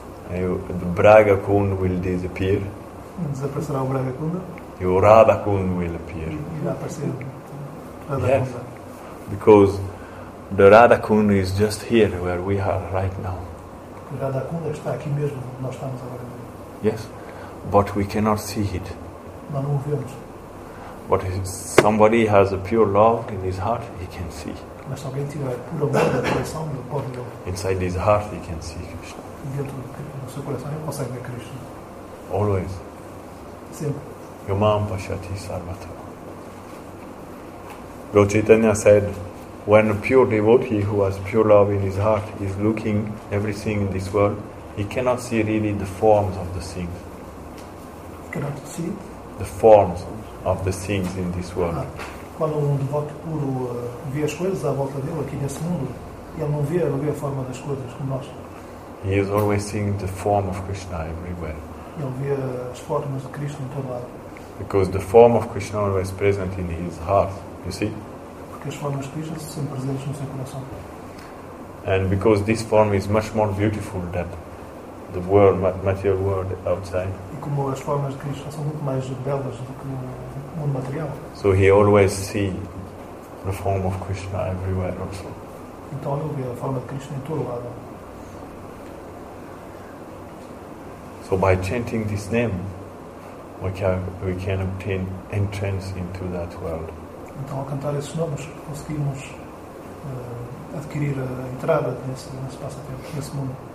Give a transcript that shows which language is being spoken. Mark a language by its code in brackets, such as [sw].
[pt] E o [en] Braga Kund will disappear. [pt] Desaparecerá o Braga Kund. E o [en] Radha Kund will appear. [pt] Irá aparecer Radha Kund. [en] Because the Radha Kund is just here where we are right now. [pt] O Radha Kund está aqui mesmo onde nós estamos agora. [en] Yes, but we cannot see it. [pt] Mas não o vemos. [en] But if somebody has a pure love in his heart, he can see. [pt] Mas se alguém tiver puro amor da coração, ele pode ver. [en] Inside his heart, he can see Krishna. [pt] Dentro do seu coração, ele consegue ver Krishna. [en] Always. [pt] Sempre. [sa] Yomam Pashati Sarvatra. [en] Lord Chaitanya said, when a pure devotee who has pure love in his heart is looking everything in this world, he cannot see really the forms of the things. Cannot see? The forms of the things in this world. [pt] Quando um devoto puro vê as coisas à volta dele aqui nesse mundo, ele não vê, ele vê a forma das coisas como nós. [en] He is always seeing the form of Krishna everywhere. [pt] Ele vê as formas de Krishna em todo lado. [en] Because the form of Krishna is always present in his heart, you see? [pt] Porque as formas de Krishna são sempre presentes no seu coração. [en] And because this form is much more beautiful than the world, material world outside. [pt] E como as formas de Krishna são muito mais belas do que mundo material. [en] So he always see the form of Krishna everywhere also. [pt] Então ele vê a forma de Krishna em todo lado. [en] So by chanting this name, we can obtain entrance into that world. [pt] Então ao cantar esses nomes conseguimos adquirir a entrada nesse espaço-tempo, nesse mundo.